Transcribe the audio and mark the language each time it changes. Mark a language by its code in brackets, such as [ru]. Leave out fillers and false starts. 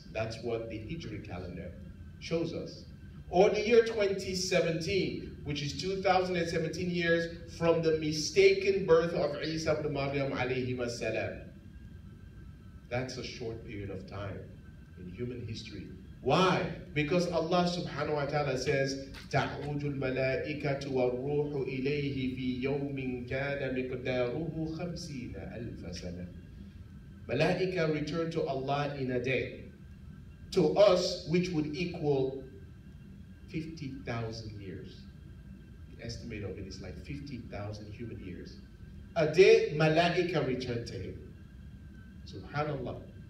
[en] That's what the Hijri calendar shows us. Or the year 2017, which is 2017 years from the mistaken birth of Isa ibn Maryam alayhi wasalam. That's a short period of time in human history. Why? [ar] Because Allah subhanahu wa ta'ala says, تَعُوجُ الْمَلَائِكَةُ وَالْرُوحُ إِلَيْهِ فِي يَوْمٍ كَانَ مِقْدَارُهُ خَمْسِينَ أَلْفَ سَنَةٍ. [en] Malaika return to Allah in a day, to us, which would equal 50,000 years. The estimate of it is like 50,000 human years. A day, Malaika return to him. Subhanallah.